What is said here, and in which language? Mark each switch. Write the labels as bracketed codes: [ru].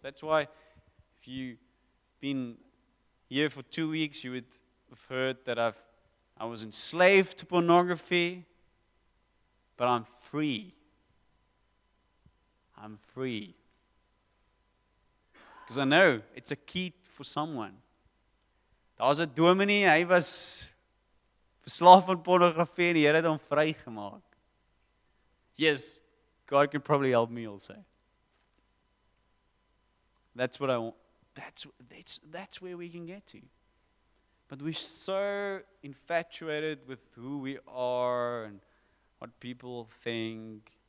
[en] That's why if you've been here for 2 weeks, you would have heard that I was enslaved to pornography. But I'm free. I'm free. Because I know it's a key for someone. [af] Daar was 'n dominee, hy was verslaaf aan pornografie en die Here het hom vrygemaak. [en] Yes, God can probably help me also. That's what I want. That's where we can get to. But we're so infatuated with who we are and what people think.